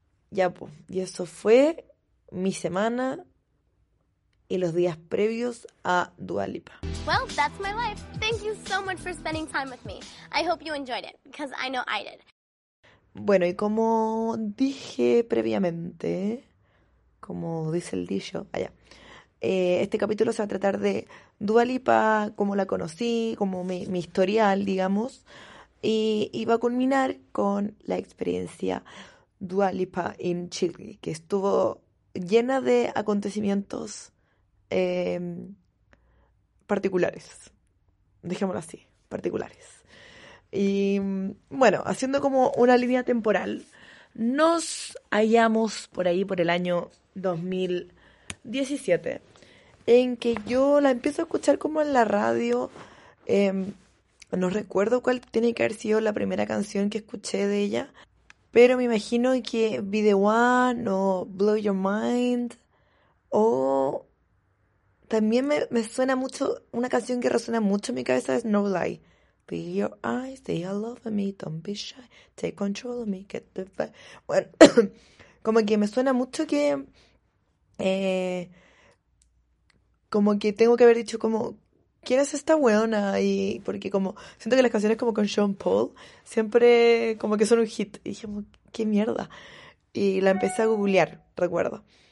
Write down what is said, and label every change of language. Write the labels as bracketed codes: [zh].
[es] Ya, pues, y eso fue mi semana y los días previos a Dua Lipa. [en] Well, that's my life. Thank you so much for spending time with me. I hope you enjoyed it, because I know I did. [es] Bueno, y como dije previamente, como dice el dicho, allá, este capítulo se va a tratar de Dua Lipa, cómo la conocí, como mi historial, digamos. Y iba a culminar con la experiencia Dua Lipa en Chile, que estuvo llena de acontecimientos particulares. Dejémoslo así, particulares. Y bueno, haciendo como una línea temporal, nos hallamos por ahí, por el año 2017, en que yo la empiezo a escuchar como en la radio. No recuerdo cuál tiene que haber sido la primera canción que escuché de ella, pero me imagino que Be The One o Blow Your Mind, o también me suena mucho, una canción que resuena mucho en mi cabeza es No Lie. [en] Be your eyes, they all over me, don't be shy, take control of me, get the fire. [es] Bueno, como que me suena mucho que, como que tengo que haber dicho como, ¿quién es esta weona? Y porque como siento que las canciones como con Sean Paul siempre como que son un hit. Y dije, ¿qué mierda? Y la empecé a googlear, recuerdo.